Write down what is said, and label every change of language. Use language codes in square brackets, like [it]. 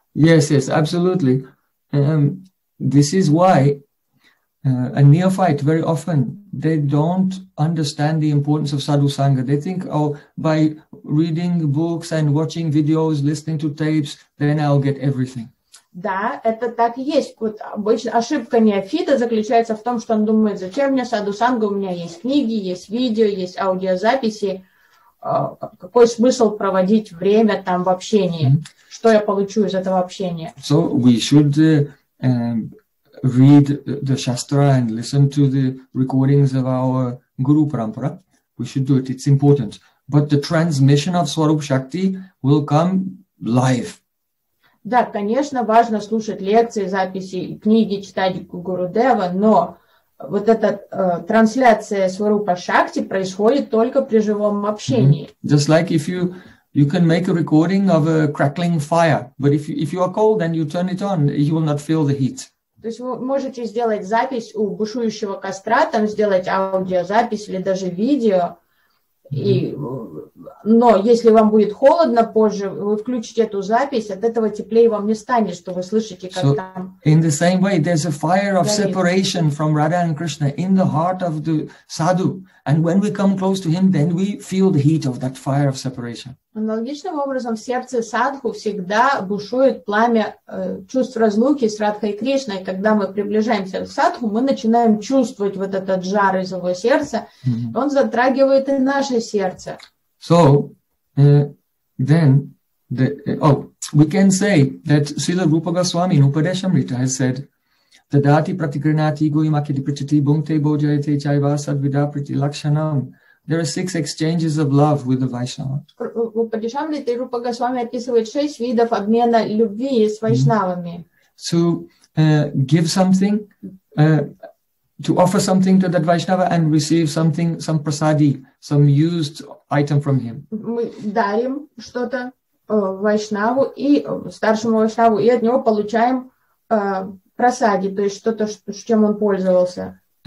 [en] Yes, yes, absolutely. This is why a neophyte very often they don't understand the importance of Sadhu Sangha. They think, oh, by reading books and watching videos, listening to tapes, then I'll get everything. [ru] Да, это так и есть. Вот обычно ошибка неофита заключается в том, что он думает, зачем мне Садху Санга? У меня есть книги, есть видео, есть аудиозаписи. Какой смысл проводить время там в общении? Mm-hmm. Что я получу из этого общения? [en] So we should read the Shastra and listen to the recordings of our Guru Parampara. We should do it. It's important. But the transmission of Swarup Shakti will come live. [ru] Да, конечно, важно слушать лекции, записи, книги, читать Гуру Дева, но вот эта трансляция Сварупа Шакти происходит только при живом общении. Mm-hmm. [en] Just like if you can make a recording of a crackling fire, but if you are cold and you turn it on, you will not feel the heat. [ru] То есть вы можете сделать запись у бушующего костра, там сделать аудиозапись или даже видео. И, но если вам будет холодно позже, вы включите эту запись, от этого теплее вам не станет, что вы слышите, как so, там. [en] In the same way, there's a fire of separation from Radha and Krishna in the heart of the sadhu. And when we come close to him, then we feel the heat of that fire of separation. [ru] Аналогичным образом, в сердце садху всегда бушует пламя чувств разлуки с Радхой Кришной. Когда мы приближаемся к садху, мы начинаем чувствовать вот этот жар из его сердца. Mm-hmm. Он затрагивает и наше сердце. [en] So, then, the, we can say that Srila Rupa Goswami in Upadeshamrita has said, [sa] Tadati pratikrinati goyimakiti prichati bhungte bojayate chaiva sadvida priti lakshanam. [en] There are six exchanges of love with the Vaishnava. [ru] Упадешамрита и Рупа Госвами описывает шесть видов обмена любви с вайшнавами. [en] To give something, to offer something to that Vaishnava and receive something, some prasadi, some used item from him. [ru] Мы дарим что-то вайшнаву и старшему вайшнаву и от него получаем прасади, то есть что-то, с чем он пользовался.